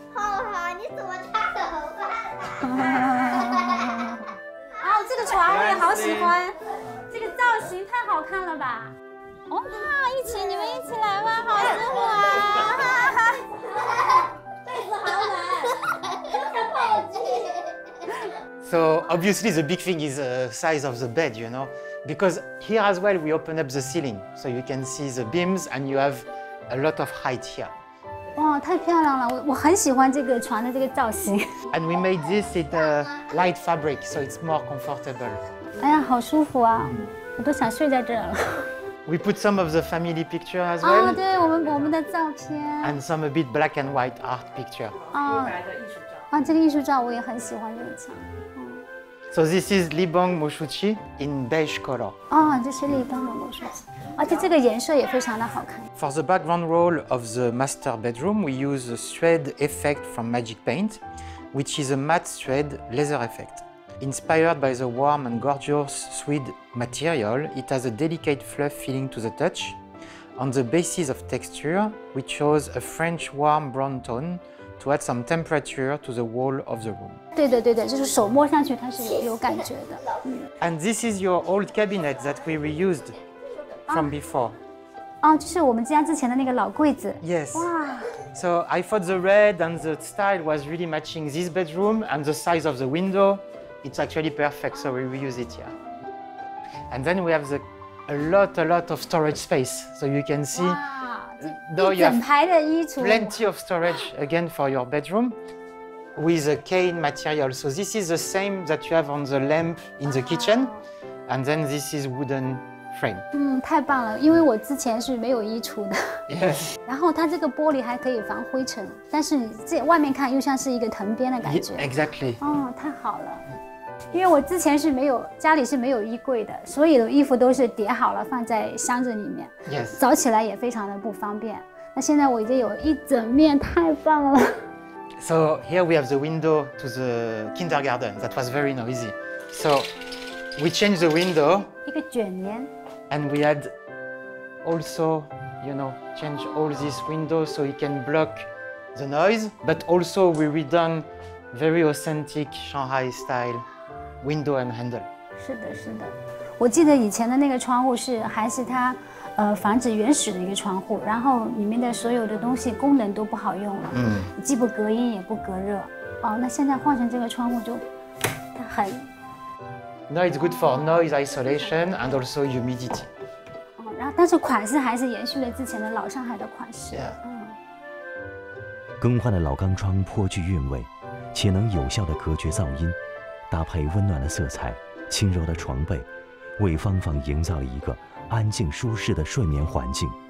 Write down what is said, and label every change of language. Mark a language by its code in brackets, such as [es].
[zh] 浩浩，你怎么插头发了？哦，这个床我也好喜欢，这个造型太好看了吧！哇，一起，你们一起来吧，好舒服啊！被子好暖，又在泡剧。 [en] So obviously the big thing is the size of the bed, you know, because here as well we open up the ceiling, so you can see the beams and you have a lot of height here. [zh] 哇，太漂亮了！我很喜欢这个床的这个造型。 [en] And we made this in a light fabric, so it's more comfortable. [zh] 哎呀，好舒服啊！我都想睡在这儿了。 [en] We put some of the family picture as well. [zh] 啊，对，我们的照片。 [en] And some a bit black and white art picture. [zh] 啊，这个艺术照我也很喜欢这个墙。 [en] So this is Libang Moshuchi in beige color. [zh] 啊，这是立邦的魔术器，而且这个颜色也非常的好看。 [en] For the background roll of the master bedroom, we use a thread effect from Magic Paint, which is a matte thread laser effect. Inspired by the warm and gorgeous Swede material, it has a delicate fluff feeling to the touch. On the basis of texture, we chose a French warm brown tone. To add some temperature to the wall of the room. [zh] 对的，对的，就是手摸上去它是有感觉的。 [en] And this is your old cabinet that we reused from before. [zh] 哦，就是我们家之前的那个老柜子。 [en] Yes. Wow. So I thought the red and the style was really matching this bedroom and the size of the window. It's actually perfect, so we reuse it here. And then we have a lot of storage space, so you can see. No, you have plenty of storage again for your bedroom with a cane material. So this is the same that you have on the lamp in the kitchen, and then this is wooden frame. [zh] 嗯，太棒了，因为我之前是没有衣橱的。 [en] Yes. [zh] 然后它这个玻璃还可以防灰尘，但是这外面看又像是一个藤编的感觉。 [en] Exactly. [zh] 哦，太好了。因为我之前是没有家里是没有衣柜的，所以的衣服都是叠好了放在箱子里面。 [en] Yes. [zh] 早起来也非常的不方便。那现在我已经有一整面，太棒了。 [en] So here we have the window to the kindergarten that was very noisy. So we changed the window. [zh] 一个卷帘。 [en] And we had also, you know, change all these windows so it can block the noise. But also we redone very authentic Shanghai style. Window and handle. [zh] 是的，是的。我记得以前的那个窗户是还是它，房子原始的一个窗户，然后里面的所有的东西功能都不好用了，嗯，既不隔音也不隔热。哦，那现在换成这个窗户就，它很。 [en] No, it's good for noise isolation and also humidity. [zh] 哦，然后但是款式还是延续了之前的老上海的款式。 [en] Yeah. [zh] 嗯。更换的老钢窗颇具韵味，且能有效的隔绝噪音。搭配温暖的色彩，轻柔的床被，为芳芳营造了一个安静舒适的睡眠环境。